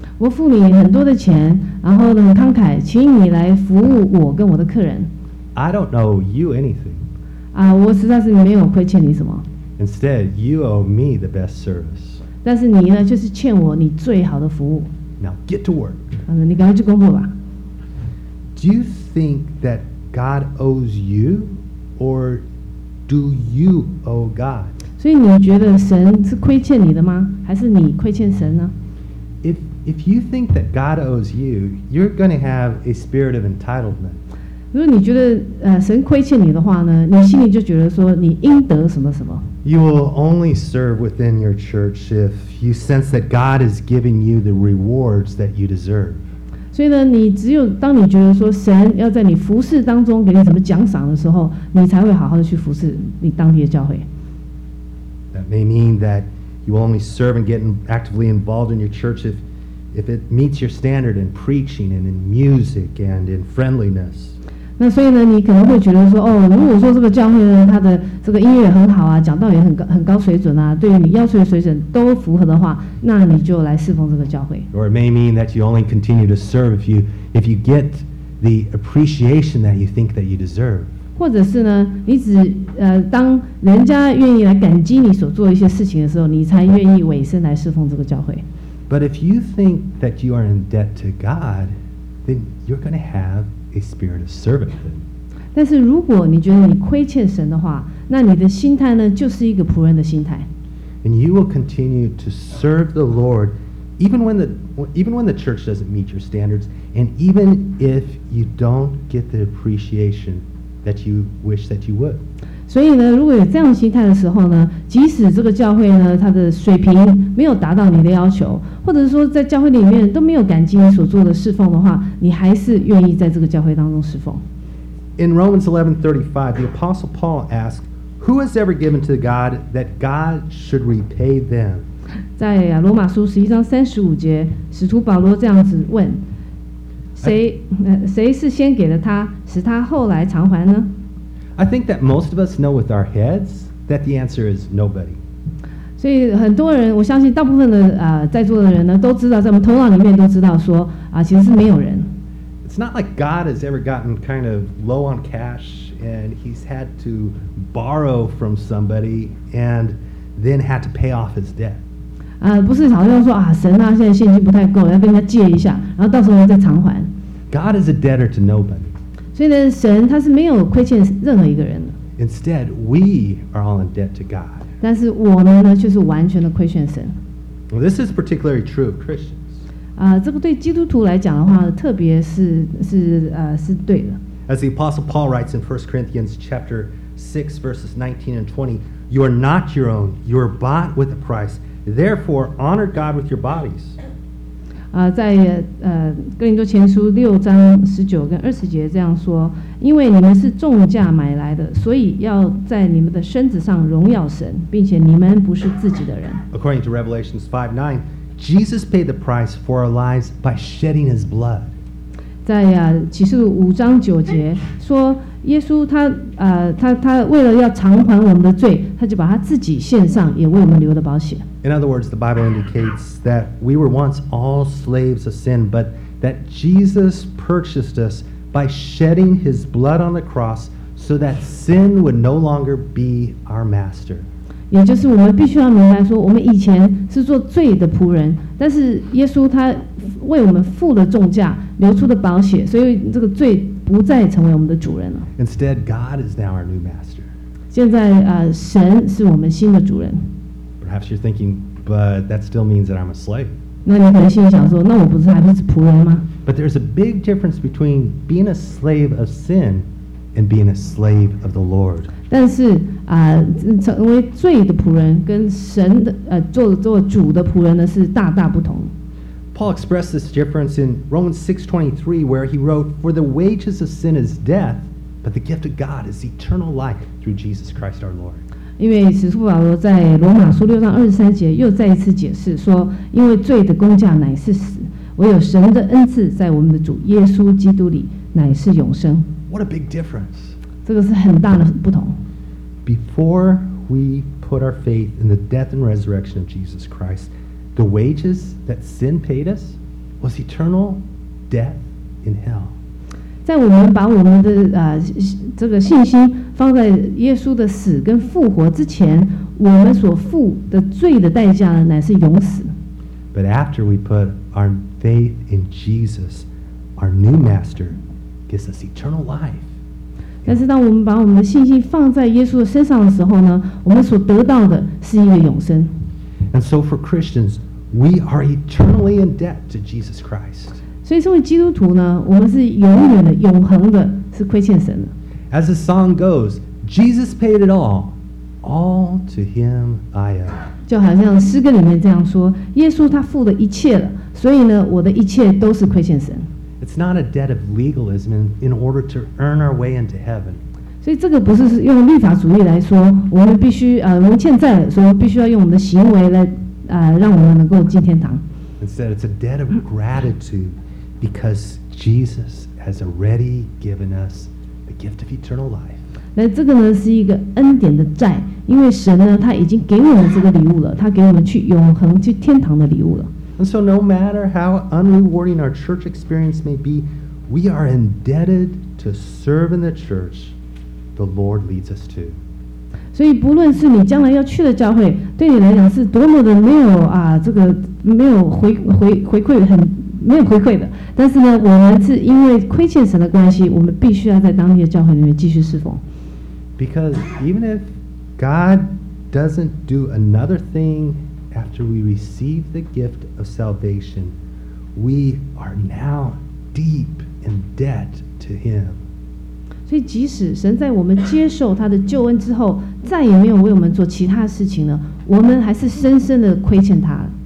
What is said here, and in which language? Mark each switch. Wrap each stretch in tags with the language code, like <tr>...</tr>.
<zh>我付你很多的钱，然后呢，慷慨，请你来服务我跟我的客人。</zh> <en>I don't owe you anything.</en> <zh>啊，我实在是没有亏欠你什么。</zh> <en>Instead, you owe me the best service.</en> <zh>但是你呢，就是欠我你最好的服务。</zh> <en>Now get to work.</en> <zh>啊，你赶快去工作吧。</zh> <en>Do you think that? God owes you, or do you owe God?</en> <zh>所以你觉得神是亏欠你的吗？还是你亏欠神呢？</zh> <en>If you think that God owes you, you're going to have a spirit of entitlement.</en> <zh>如果你觉得神亏欠你的话呢，你心里就觉得说你应得什么什么。</zh> <en>You will only serve within your church if you sense that God is giving you the rewards that you deserve.</en> <zh>所以呢，你只有当你觉得说神要在你服事当中给你什么奖赏的时候，你才会好好的去服事你当地的教会。</zh> <en>That may mean that you only serve and get actively involved in your church if it meets your standard in preaching and in music and in friendliness.</en> <zh>那所以呢，你可能会觉得说，哦，如果说这个教会呢，它的这个音乐很好啊，讲道也很高水准啊，对于你要求的水准都符合的话。那你就来侍奉这个教会。</zh> <en>Or it may mean that you only continue to serve if you get the appreciation that you think that you deserve.</en> <zh>或者是呢，你只当人家愿意来感激你所做一些事情的时候，你才愿意委身来侍奉这个教会。</zh> <en>But if you think that you are in debt to God, then you're going to have a spirit of servanthood.</en> <zh>但是如果你觉得你亏欠神的话，那你的心态呢，就是一个仆人的心态。</zh> <en>And you will continue to serve the Lord even when the church doesn't meet your standards and even if you don't get the appreciation that you wish that you would.</en> <zh>所以呢，如果有这样的心态的时候呢，即使这个教会呢，它的水平没有达到你的要求，或者是说在教会里面都没有感激你所做的侍奉的话，你还是愿意在这个教会当中侍奉。</zh> <en>In Romans 11:35, the Apostle Paul asks, "Who has ever given to God that God should repay them?"</en> <zh>在罗马书11:35，使徒保罗这样子问：谁是先给了他，使他后来偿还呢？</zh> <en>I think that most of us know with our heads that the answer is nobody.</en> <zh>所以很多人，我相信大部分的在座的人呢，都知道，在我们头脑里面都知道说其实是没有人。</zh> <en>It's not like God has ever gotten kind of low on cash and he's had to borrow from somebody and then had to pay off his debt.</en> <zh>不是好像说神啊，现在现金不太够，要跟他借一下，然后到时候再偿还。</zh> <en>God is a debtor to nobody.</en> <zh>所以呢，神他是没有亏欠任何一个人的。</zh> <en>Instead, we are all in debt to God.</en> <zh>但是我们呢，就是完全的亏欠神。</zh> <en>Well, this is particularly true of Christians.</en> <zh>这个对基督徒来讲的话，特别是对的。</zh> <en>As the Apostle Paul writes in 1 Corinthians chapter 6, verses 19 and 20, "You are not your own; you are bought with a price. Therefore, honor God with your bodies."</en> <zh>在哥林多前书6:19-20这样说：因为你们是重价买来的，所以要在你们的身子上荣耀神，并且你们不是自己的人。</zh> <en>According to Revelation 5:9. Jesus paid the price for our lives by shedding his blood.</en> <zh>在启示录5:9说耶稣他为了要偿还我们的罪，他就把他自己献上，也为我们流了宝血。</zh> <en>In other words, the Bible indicates that we were once all slaves of sin, but that Jesus purchased us by shedding his blood on the cross so that sin would no longer be our master.</en> <zh>也就是我们必须要明白说，我们以前是做罪的仆人，但是耶稣他为我们付了重价，流出的宝血，所以这个罪不再成为我们的主人了。</zh> <en>Instead, God is now our new master.</en> <zh>现在神是我们新的主人。</zh> <en>Perhaps you're thinking, but that still means that I'm a slave.</en> <zh>那你可能心里想说，那我不是还是仆人吗？</zh> <en>But there's a big difference between being a slave of sin and being a slave of the Lord.</en> <zh>但是成为罪的仆人跟神的做主的仆人呢是大大不同。</zh> <en>Paul expressed this difference in Romans 6:23, where he wrote, "For the wages of sin is death, but the gift of God is eternal life through Jesus Christ our Lord."</en> <zh>因为使徒保罗在罗马书6:23又再一次解释说，因为罪的工价乃是死，唯有神的恩赐在我们的主耶稣基督里乃是永生。</zh> <en>What a big difference!</en> <zh>这个是很大的不同。</zh> <en>Before we put our faith in the death and resurrection of Jesus Christ, the wages that sin paid us was eternal death in hell.</en> <zh>在我们把我们的这个信心放在耶稣的死跟复活之前，我们所付的罪的代价呢，乃是永死。</zh> <en>But after we put our faith in Jesus, our new master gives us eternal life.</en> <zh>但是当我们把我们的信心放在耶稣的身上的时候呢，我们所得到的是一个永生。</zh> <en>And so for Christians, we are eternally in debt to Jesus Christ.</en> <zh>所以身为基督徒呢，我们是永远的、永恒的，是亏欠神的。</zh> <en>As the song goes, Jesus paid it all, all to him I owe.</en> <zh>就好像诗歌里面这样说，耶稣他付了一切了，所以呢，我的一切都是亏欠神。</zh> <en>It's not a debt of legalism in order to earn our way into heaven.</en> <zh>所以这个不是用律法主义来说，我们必须我们欠债，所以必须要用我们的行为来让我们能够进天堂。</zh> <en>Instead, it's a debt of gratitude because Jesus has already given us the gift of eternal life.</en> <zh>那这个呢是一个恩典的债，因为神呢他已经给我们这个礼物了，他给我们去永恒去天堂的礼物了。</zh> <en>And so no matter how unrewarding our church experience may be, we are indebted to serve in the church the Lord leads us to.</en> <zh>所以不论是你将来要去的教会，对你来讲是多么的没有这个没有回馈很没有回馈的，但是呢，我们是因为亏欠神的关系，我们必须要在当地的教会里面继续侍奉。</zh> <en>Because even if God doesn't do another thing,After we receive the gift of salvation, we are now deep in debt to Him.</en> <zh>所以即使神在我们接受他的救恩之后再也没有为我们做其他事情了，我们还是深深的亏欠他。</zh>